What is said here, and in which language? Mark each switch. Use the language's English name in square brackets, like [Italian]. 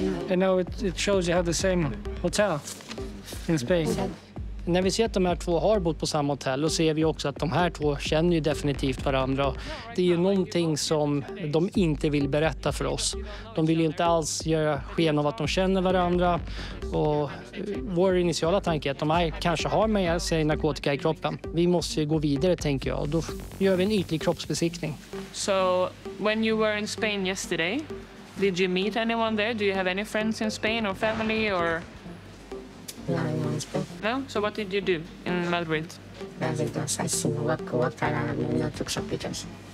[English] And now it shows you have the same hotel in Spain. [Swedish] När vi ser att de här två har bott på samma hotell, då ser vi också att de här två känner ju definitivt varandra. Det är ju någonting som de inte vill berätta för oss. De vill ju inte alls göra sken av att de känner varandra. Och vår initiala tanke är att de här kanske har med sig narkotika i kroppen. Vi måste ju gå vidare, tänker jag. Och då gör vi en ytlig kroppsbesiktning. [English] So, when you were in Spain yesterday, did you meet anyone there? Do you have any friends in Spain or family or... No, so what did you do in Madrid? Madrid, I walked around and I took some pictures.